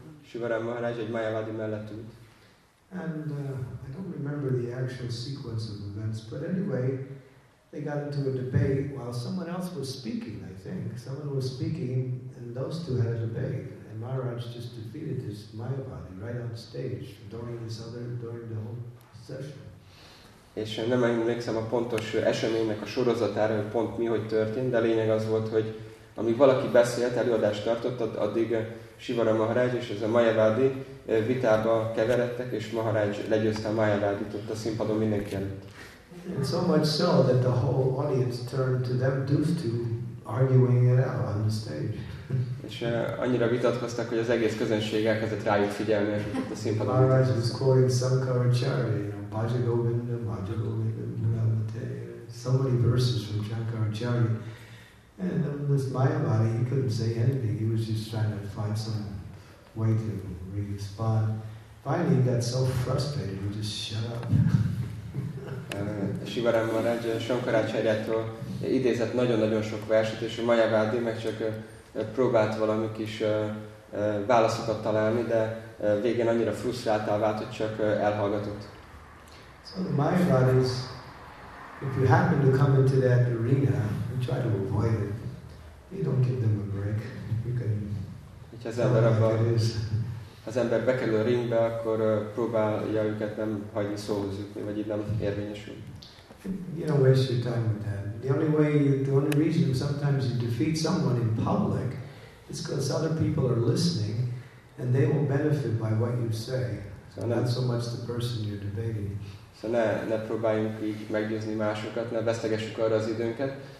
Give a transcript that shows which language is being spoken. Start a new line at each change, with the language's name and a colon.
Hungarian: Sivaram Maharaj egy Mayavadi mellett ült.
English: And I don't remember the actual sequence of events, but anyway, they got into a debate while someone else was speaking, I think. Someone was speaking, and those two had a debate. And Maharaj just defeated this Mayavadi right on stage during the whole session.
Hungarian: És nem emlékszem a pontos eseménynek a sorozatára, hogy pont mi, hogy történt, de lényeg az volt, hogy amíg valaki beszélt, előadást tartott, addig Sivaram Maharaj és ez a Mayavadi vitába keveredtek, és Maharaj legyőzte a Mayavadit ott a színpadon mindenki előtt.
English: And so much so that the whole audience turned to them due to arguing it out on the stage.
Hungarian: És annyira vitatkoztak, hogy az egész közönség elkezdett rájuk figyelni, és ott a színpadon.
English: Maharaj was quoting Sankaracharya, you know,
Sanskrit: Bhajagovinda, Bhajagovinda, Bhagavate,
English: so many verses from Sankaracharya. And this Mayavadi, he couldn't say anything. He was just trying to find some way to respond. Finally, he got so frustrated, he just shut up.
Hungarian: Sivaram Maharaj Sankaracharyától idézett nagyon-nagyon sok verset, és a Mayavadi meg csak próbált valami kis válaszokat találni, de végén annyira frusztráltá vált, hogy csak elhallgatott.
English: So the Mayavadi is, if you happen to come into that arena and try to avoid it, you don't give them a break. You can tell them like it is.
Hungarian: Az ember bekerül a ringbe, akkor próbálja őket nem hagyni szóhoz jutni, vagy így nem érvényesül.
English: You don't waste your time with that. The only reason sometimes you defeat someone in public is because other people are listening and they will benefit by what you say. So not so much the person you're debating.
Hungarian: So ne próbáljunk így meggyőzni másokat, ne vesztegessük arra az időnket.